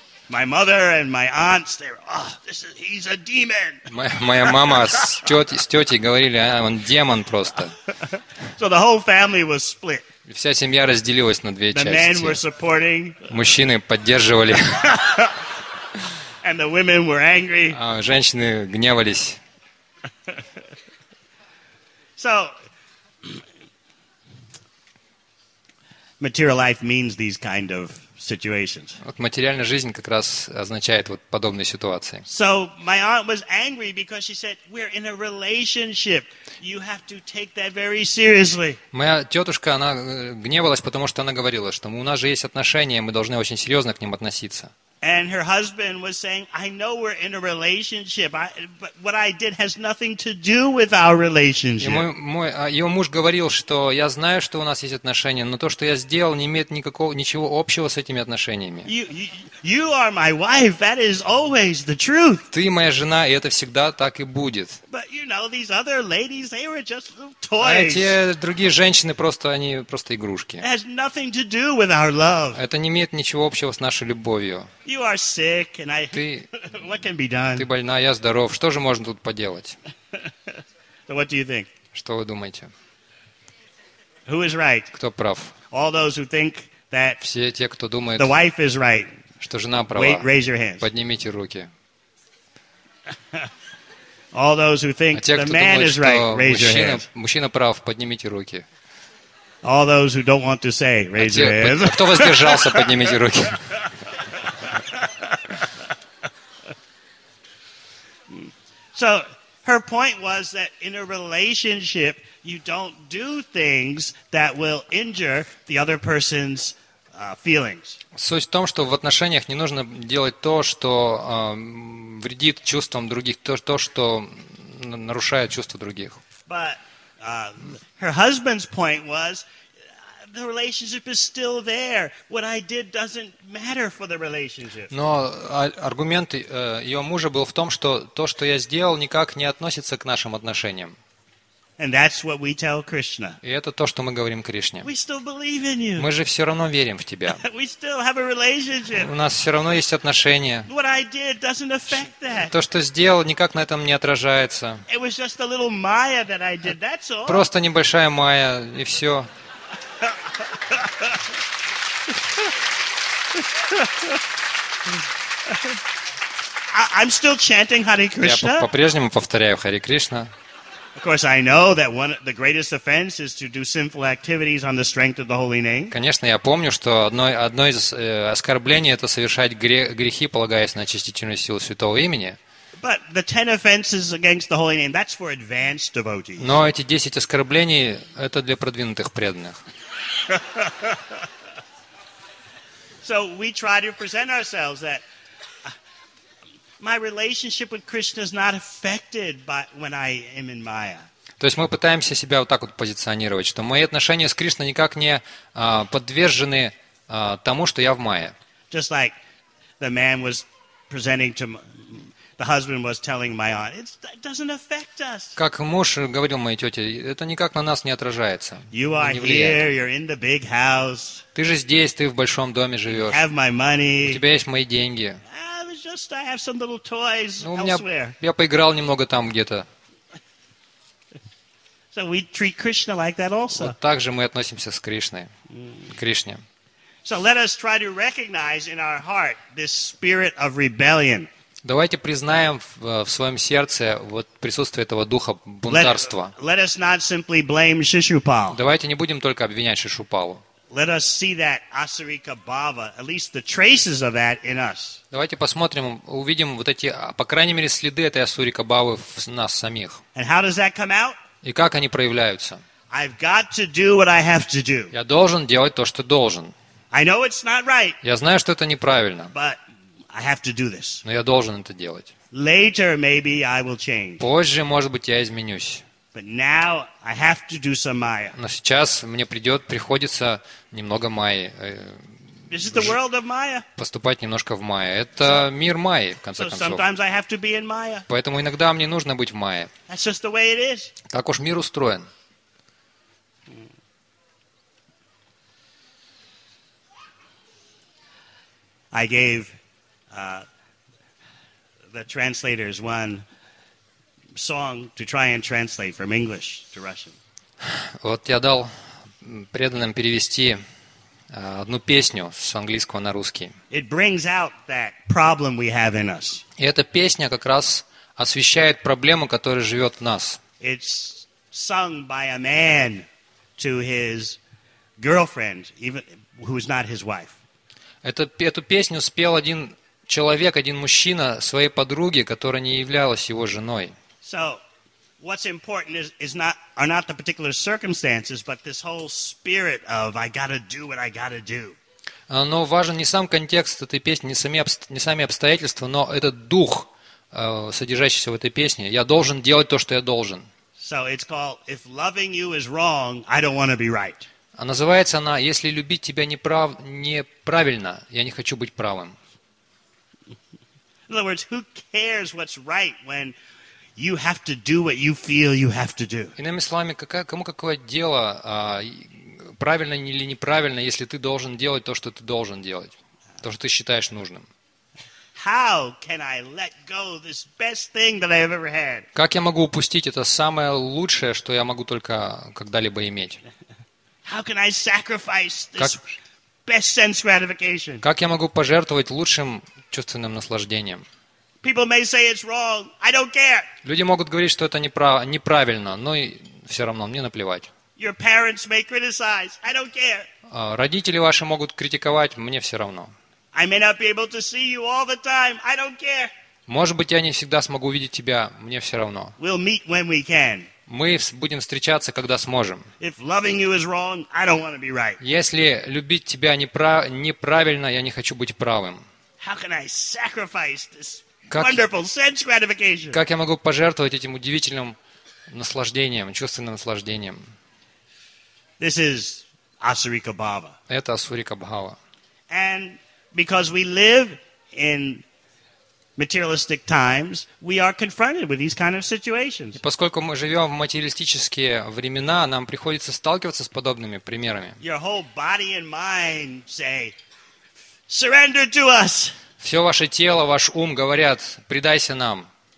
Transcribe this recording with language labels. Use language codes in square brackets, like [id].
[en] My mother and my aunts, they're, oh, this is, he's a demon. [ru] Моя мама с тетей говорили, а он демон просто. [en] So the whole family was split. [ru] Вся семья разделилась на две [en] the [ru] части. [en] The men were supporting. [ru] Мужчины поддерживали. [en] And the women were angry. [ru] А женщины гневались. [en] So Material life means these kind of situations. [ru] Вот материальная жизнь как раз означает вот подобные ситуации. [en] So my aunt was angry because she said, "We're in a relationship. You have to take that very seriously." [ru] Моя тетушка, она гневалась, потому что она говорила, что у нас же есть отношения, мы должны очень серьезно к ним относиться. [en] And her husband was saying, "I know we're in a relationship, but what I did has nothing to do with our relationship." [ru] Ее муж говорил, что я знаю, что у нас есть отношения, но то, что я сделал, не имеет ничего общего с этими отношениями. [en] You are my wife. That is always the truth. [ru] Ты моя жена, и это всегда так и будет. [en] But you know, these other ladies, they were just little toys. [ru] А эти другие женщины просто они просто игрушки. [en] It has nothing to do with our love. [ru] Это не имеет ничего общего с нашей любовью. [en] You are sick, and I. What can be done? [ru] Ты больна, я здоров. Что же можно тут поделать? [en] So what do you think? [ru] Что вы думаете? [en] Who is right? [ru] Кто прав? [en] All those who think that. [ru] Все те, кто думает. [en] The wife is right. [ru] Что жена права? [en] Wait, raise your hands. [ru] Поднимите руки. [en] All those who think the man is right, raise your hands. [ru] Мужчина прав, поднимите руки. [en] All those who don't want to say, raise your hands. [ru] Кто воздержался, поднимите руки. [en] So her point was that in a relationship you don't do things that will injure the other person's feelings. [ru] Суть в том, что в отношениях не нужно делать то, что вредит чувствам других, то, что нарушает чувства других. [en] But her husband's point was the relationship is still there. What I did doesn't matter for the relationship. [ru] Но аргумент ее мужа был в том, что то, что я сделал, никак не относится к нашим отношениям. [en] And that's what we tell Krishna. [ru] И это то, что мы говорим Кришне. [en] We still believe in you. [ru] Мы же все равно верим в тебя. [en] We still have a relationship. [ru] У нас все равно есть отношения. [en] What I did doesn't affect that. [ru] То, что сделал, никак на этом не отражается. [en] It was just a little maya that I did. That's all. [ru] Просто небольшая майя, и все. [en] I'm still chanting Hare Krishna. [ru] Я по-прежнему повторяю Хари Кришна. [en] Of course, I know that one the greatest offense is to do sinful activities on the strength of the holy name. [ru] Конечно, я помню, что одно из оскорблений это совершать грехи, полагаясь на очистительную силу святого имени. [en] But the 10 offenses against the holy name, that's for advanced devotees. [ru] Но эти 10 оскорблений это для продвинутых преданных. [en] So we try to present ourselves that my relationship with Krishna is not affected by when I am in Maya. [ru] То есть мы пытаемся себя вот так вот позиционировать, что мои отношения с Кришной никак не подвержены тому, что я в Майе. [en] Just like the man was presenting to the husband was telling my aunt, it doesn't affect us. [ru] Как муж говорил моей тете, это никак на нас не отражается. [en] You are here, you're in the big house. [ru] Ты же здесь, ты в большом доме живешь. [en] Have my money. [ru] У тебя есть мои деньги. [en] Just I have some little toys [ru] у меня, [en] elsewhere. [ru] Я поиграл немного там где-то. [en] So we treat Krishna like that also. [ru] Вот так же мы относимся с Кришной, Кришне. [en] So let us try to recognize in our heart this spirit of rebellion. [ru] Давайте признаем в своем сердце вот присутствие этого духа бунтарства. [en] Let us not simply blame Shishupal. [ru] Давайте не будем только обвинять Шишупалу. [en] Let us see that Asarika Bhava, at least the traces of that in us. [ru] Давайте посмотрим, увидим вот эти, по крайней мере, следы этой Асурика Бхавы в нас самих. [en] And how does that come out? [ru] И как они проявляются? [en] I've got to do what I have to do. [ru] Я должен делать то, что должен. [en] I know it's not right. [ru] Я знаю, что это неправильно. [en] But I have to do this. [ru] Но я должен это делать. [en] Later, maybe I will change. [ru] Позже, может быть, я изменюсь. [en] But now I have to do some maya. [ru] Но сейчас мне приходится немного майи. [en] This is the world of maya. [ru] Поступать немножко в майе. Это мир майи в конце концов. [en] So sometimes I have to be in maya. [ru] Поэтому иногда мне нужно быть в майе. [en] That's just the way it is. [ru] Так уж мир устроен. [en] I gave the translators one song to try and translate from English to Russian. [ru] Вот я дал преданным перевести одну песню с английского на русский. [en] It brings out that problem we have in us. [ru] И эта песня как раз освещает проблему, которая живет в нас. [en] It's sung by a man to his girlfriend, even who is not his wife. [ru] Эту песню спел один человек, один мужчина своей подруге, которая не являлась его женой. [en] So, what's important are not the particular circumstances, but this whole spirit of I gotta do what I gotta do. [ru] Но важен не сам контекст этой песни, не сами обстоятельства, но этот дух, содержащийся в этой песне. Я должен делать то, что я должен. [en] So it's called, if loving you is wrong, I don't want to be right. [ru] А называется она «Если любить тебя неправильно, я не хочу быть правым». [en] In other words, who cares what's right when you have to do what you feel you have to do? [ru] Иными словами, кому какое дело, правильно или неправильно, если ты должен делать то, что ты должен делать, то, что ты считаешь нужным? [en] How can I let go this best thing that I've ever had? [ru] Как я могу упустить это самое лучшее, что я могу только когда-либо иметь? [en] How can I sacrifice this best sense gratification? [ru] Как я могу пожертвовать лучшим чувственным наслаждением? [en] People may say it's wrong. I don't care. [ru] Люди могут говорить, что это неправильно, но и все равно мне наплевать. [en] Your parents may criticize. I don't care. [ru] Родители ваши могут критиковать, мне все равно. [en] I may not be able to see you all the time. I don't care. [ru] Может быть, я не всегда смогу видеть тебя, мне все равно. [en] We'll meet when we can. [ru] Мы будем встречаться, когда сможем. [en] If loving you is wrong, I don't want to be right. [ru] Если любить тебя неправильно, я не хочу быть правым. [en] How can I sacrifice this wonderful sense gratification? [ru] Как я могу пожертвовать этим удивительным наслаждением, чувственным наслаждением? [en] This is Asurika Bhava. [ru] Это Асурика Бхава. [en] And because we live in materialistic times, we are confronted with these kind of situations. [ru] И поскольку мы живем в материалистические времена, нам приходится сталкиваться с подобными примерами. [en] Your whole body and mind say, surrender to us. [ru] Все ваше тело, ваш ум говорят, предайся нам.